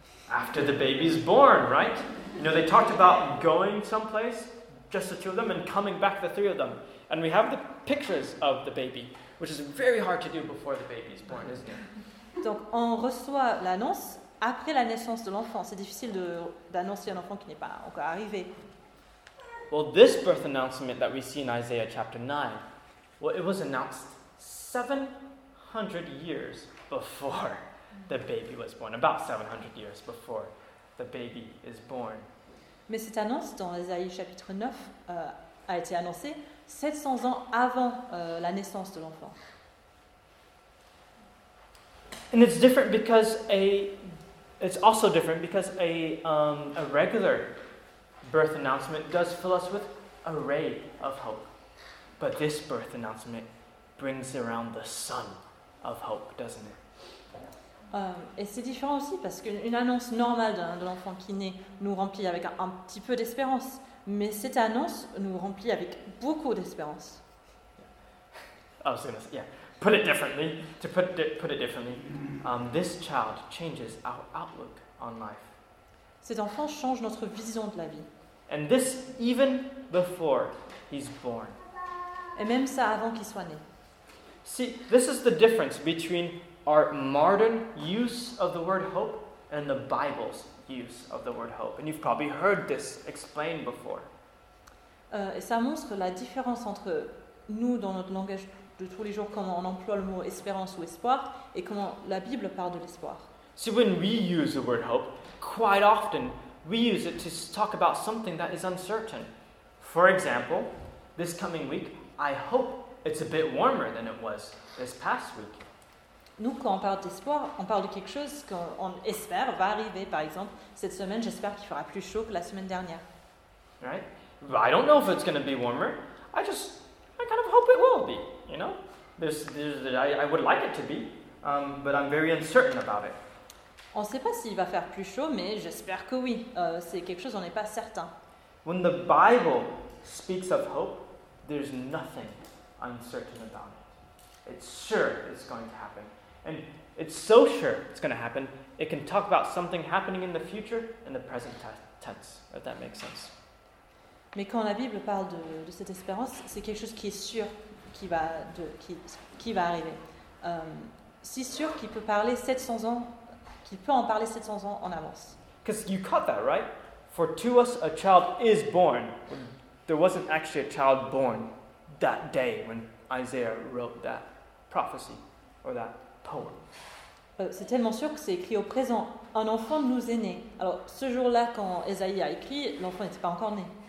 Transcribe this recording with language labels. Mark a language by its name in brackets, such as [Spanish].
[English] After the baby's born, right? You know, they talked about going someplace, just the two of them, and coming back, the three of them. And we have the pictures of the baby, which is very hard to do before the baby's born, isn't it? [French] Donc, on reçoit l'annonce après la naissance de l'enfant. C'est difficile d'annoncer un enfant qui n'est pas encore arrivé. [English] Well, this birth announcement that we see in Isaiah chapter 9, well, it was announced 700 years before the baby was born. About 700 years before the baby is born. [French] Mais cette annonce dans Isaïe chapitre 9 a été annoncée 700 ans avant la naissance de l'enfant. [English] And it's different because it's also different because a regular birth announcement does fill us with a ray of hope. But this birth announcement brings around the sun of hope, doesn't it? [French] Et c'est différent aussi parce qu'une annonce normale de l'enfant qui naît nous remplit avec un petit peu d'espérance. Mais cette annonce nous remplit avec beaucoup d'espérance. [English] Yeah. I was gonna say, yeah. Put it differently. To put it differently, this child changes our outlook on life. [French] Cet enfant change notre vision de la vie. [English] And this even before he's born. [French] Et même ça avant qu'il soit né. [English] See, this is the difference between our modern use of the word hope and the Bible's use of the word hope. And you've probably heard this explained before. [French] Et ça montre la différence entre nous dans notre langage de tous les jours, comment on emploie le mot espérance ou espoir, et comment la Bible parle de l'espoir. [English] See, when we use the word hope, quite often we use it to talk about something that is uncertain. For example, this coming week, I hope it's a bit warmer than it was this past week. [French] Nous, quand on parle d'espoir, on parle de quelque chose qu'on espère va arriver. Par exemple, cette semaine, j'espère qu'il fera plus chaud que la semaine dernière. [English] Right? I don't know if it's going to be warmer. I kind of hope it will be, you know? I would like it to be, but I'm very uncertain about it. [French] On ne sait pas s'il va faire plus chaud, mais j'espère que oui. C'est quelque chose, on n'est pas certain. [English] When the Bible speaks of hope, there's nothing uncertain about it. It's sure it's going to happen. And it's so sure it's going to happen, it can talk about something happening in the future in the present tense, if that makes sense. [French] Mais quand la Bible parle de cette espérance, c'est quelque chose qui est sûr qui va arriver. Si sûr qu'il peut parler 700 ans, qu'il peut en parler 700 ans en avance. [English] Because you caught that, right? For to us a child is born. There wasn't actually a child born that day when Isaiah wrote that prophecy or that poem. [French] C'est tellement sûr que c'est écrit au présent. Un enfant nous est né. Alors, ce jour-là, quand Isaïe a écrit, l'enfant n'était pas encore né.